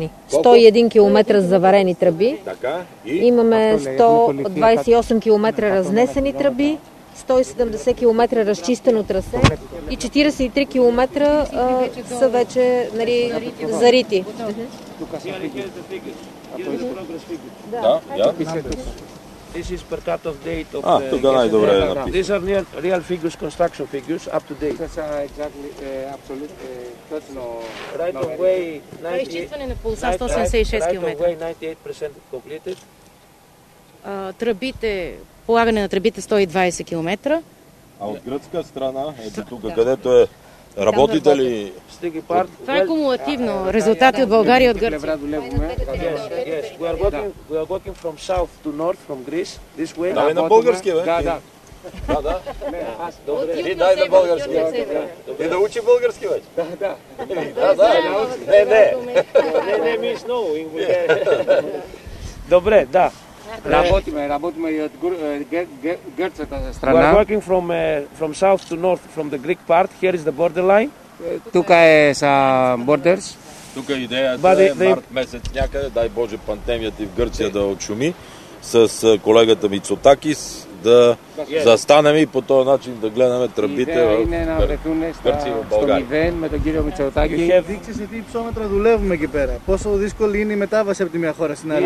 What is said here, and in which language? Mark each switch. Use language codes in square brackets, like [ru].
[bg] 101 км заварени тръби. Така, и? Имаме 128 км разнесени тръби, 170 км разчистено трасе и 43 км са вече нали, зарити. Да, да. [en] This is per cut-off date of the... These are near, real figures, construction figures, up to date. [bg] Това са [en] exactly, absolute, right of way... [bg] Това е изчистване на пулса, 186 км. [en] Right of way, 98% completed. [bg] Тръбите, полагане на тръбите 120 км. А от гръцка страна, ето тук, където е... Работите ли... Това е кумулативно. Резултати от България и от Гърция. Дай на български, бе? Да, да. Ти дай на български. Ти да учи български, бе? Да, да. Не, не. Не, [en] means no. [bg] Добре, да. Работиме и от гърцата страна. [en] We are working from south to north from the Greek part. Here is the borderline. [bg] Тук е са borders. Тук идеята е март месец някъде, дай Боже пандемията и в Гърция да отшуми, с колегата Мицотакис да застанем и по този начин да гледаме тръбите в Гърция и в България. [el] Дикси се ти ψόμετρα δουλεύουμε εκεί πέρα. Πόσο δύσκολη είναι η μετάβαση από τη μια χώρα στην άλλη.